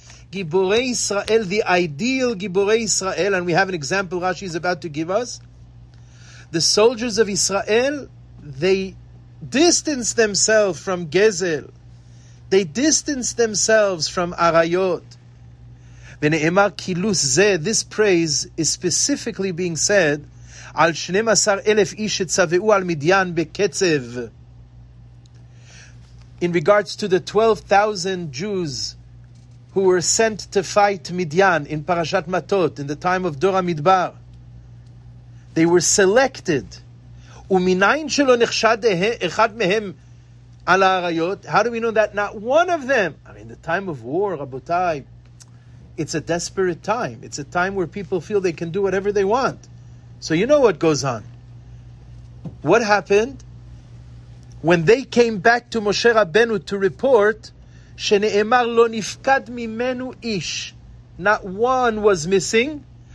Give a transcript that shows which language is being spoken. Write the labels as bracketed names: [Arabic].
[English] Gibore Yisrael, the ideal gibore Yisrael, and we have an example Rashi is about to give us. The soldiers of Israel, they distance themselves from gezel. They distance themselves from arayot. [Hebrew] ונאמר קילוס זה, [English] this praise is specifically being said [Hebrew] על 12,000 איש שצבעו על מדיין בקצב. [English] In regards to the 12,000 Jews who were sent to fight מדיין in פרשת מטות, in the time of דור המדבר, they were selected. [Hebrew] ומניין שלא נחשד אחד מהם על העריות? [English] How do we know that not one of them? I mean, the time of war, רבותיי, it's a desperate time. It's a time where people feel they can do whatever they want. So you know what goes on. What happened? When they came back to Moshe Rabbeinu to report, [Hebrew] שנאמר לא נפקד ממנו איש. [English] Not one was missing,